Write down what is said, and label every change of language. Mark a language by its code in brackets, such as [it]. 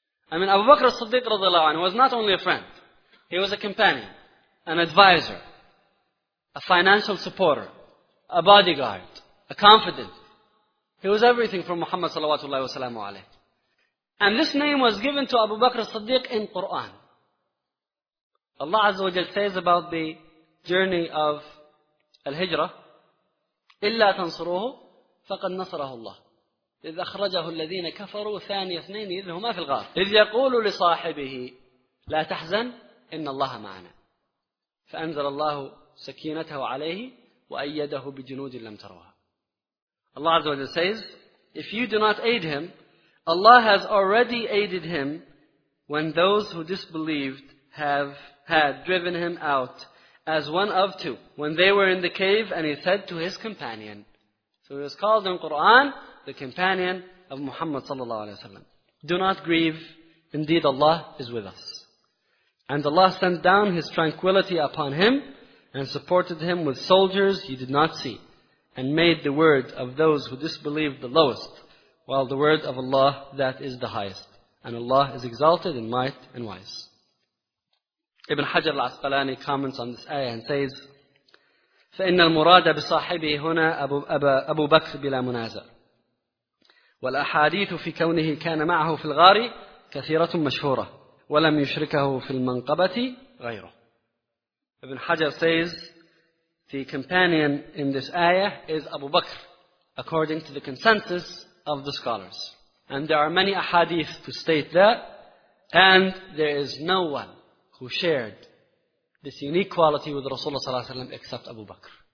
[en] I mean, Abu Bakr as-Siddiq radiallahu anhu was not only a friend. He was a companion, an advisor, a financial supporter, a bodyguard, a confidant. He was everything for Muhammad sallallahu alayhi wa sallam. And this name was given to Abu Bakr as-Siddiq in Qur'an. Allah Azza wa Jal says about the journey of Al-Hijrah, [ar] إِلَّا تَنْصُرُوهُ فَقَدْ نَصَرَهُ اللَّهُ إِذْ أَخْرَجَهُ الَّذِينَ كَفَرُوا ثَانِيَ اثْنَيْنِ إِذْ هُمَا فِي الْغَارِ إِذْ يَقُولُ لِصَاحِبِهِ لَا تَحْزَنْ إِنَّ اللَّهَ مَعَنَا فَأَنْزَلَ اللَّهُ سَكِينَتَهُ عَلَيْهِ وَأَيَّدَهُ بِجُنُودٍ لَمْ تَرَوْهَا. [en] Allah Azza wa Jal says, if you do not aid him, Allah has already aided him when those who disbelieved had driven him out as one of two. When they were in the cave and he said to his companion. So he was called in Quran, the companion of Muhammad sallallahu alayhi wa sallam. Do not grieve, indeed Allah is with us. And Allah sent down his tranquility upon him and supported him with soldiers he did not see. And made the word of those who disbelieved the lowest. While the word of Allah, that is the highest. And Allah is exalted in might and wise. Ibn Hajar al-Asqalani comments on this ayah and says, [ar] فَإِنَّ الْمُرَادَ بِصَاحِبِهِ هُنَا أَبُو بَكْرِ بِلَا مُنَازَرِ وَالْأَحَادِيثُ فِي كَوْنِهِ كَانَ مَعَهُ فِي الْغَارِ كَثِيرَةٌ مَشْهُورَةٌ وَلَمْ يُشْرِكَهُ فِي الْمَنْقَبَةِ غَيْرُهُ. [en] Ibn Hajar says, the companion in this ayah is Abu Bakr, according to the consensus of the scholars. And there are many ahadith to state that. And there is no one who shared this unique quality with Rasulullah ﷺ except Abu Bakr.